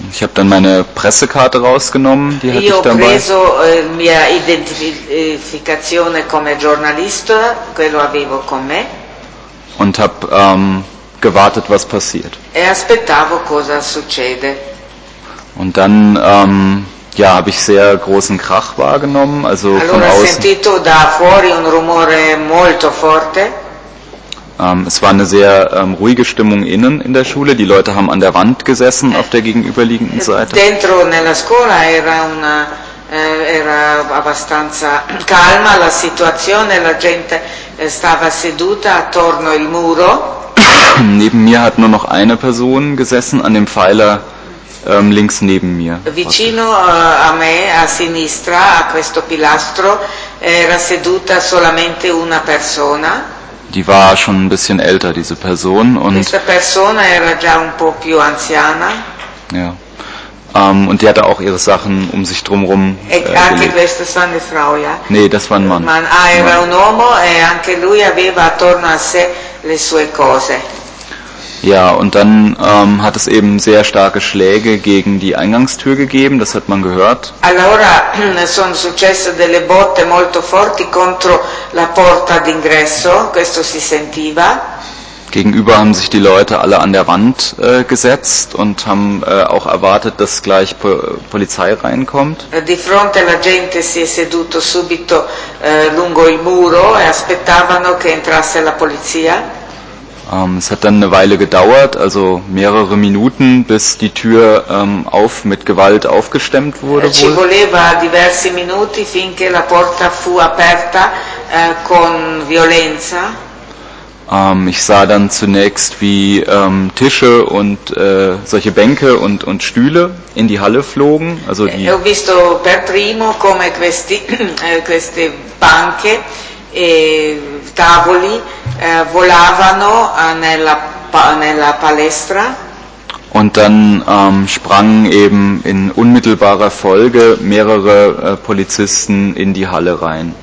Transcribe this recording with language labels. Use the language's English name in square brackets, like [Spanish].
[German] Ich habe dann meine Pressekarte rausgenommen, die hatte ich dabei. [Italian] Io ho preso mia identificazione come giornalista, quello avevo con me. [German] Und habe gewartet, was passiert. [Italian] E aspettavo cosa succede. [German] Und dann ja, habe ich sehr großen Krach wahrgenommen, also [Italian] allora [German] von außen. [Italian] Allora ho sentito da fuori un rumore molto forte. [German] Es war eine sehr ruhige Stimmung innen in der Schule. Die Leute haben an der Wand gesessen auf der gegenüberliegenden Seite. [Italian] Dentro nella scuola era abbastanza calma la situazione. La gente stava seduta attorno il muro. [German] Neben mir hat nur noch eine Person gesessen an dem Pfeiler links neben mir. [Italian] Vicino a me, a sinistra, a questo pilastro, era seduta solamente una persona. [German] Die war schon ein bisschen älter, diese Person. Und [Italian] questa persona era già un po' più anziana. [German] Ja. Und die hatte auch ihre Sachen um sich drumherum. [Italian] Anche questa [German] war eine Frau, ja? Nee, das war ein Mann. [Italian] Ah, era un uomo e anche lui aveva attorno a sé le sue cose. [German] Ja, und dann hat es eben sehr starke Schläge gegen die Eingangstür gegeben, das hat man gehört. [Italian] Allora sono successe delle botte molto forti contro la porta d'ingresso, questo si sentiva. [German] Gegenüber haben sich die Leute alle an der Wand gesetzt und haben auch erwartet, dass gleich Polizei reinkommt. [Italian] Di fronte la gente si è seduto subito lungo il muro e aspettavano che entrasse la polizia. [German] Es hat dann eine Weile gedauert, also mehrere Minuten, bis die Tür auf mit Gewalt aufgestemmt wurde. [Italian] Ci voleva diversi minuti finché la porta fu aperta con violenza. [German] Ich sah dann zunächst, wie Tische und solche Bänke und Stühle in die Halle flogen. Also die. [Italian] Ho visto per primo come questi queste banche e tavoli volavano nella palestra. [German] Und dann sprangen eben in unmittelbarer Folge mehrere Polizisten in die Halle rein.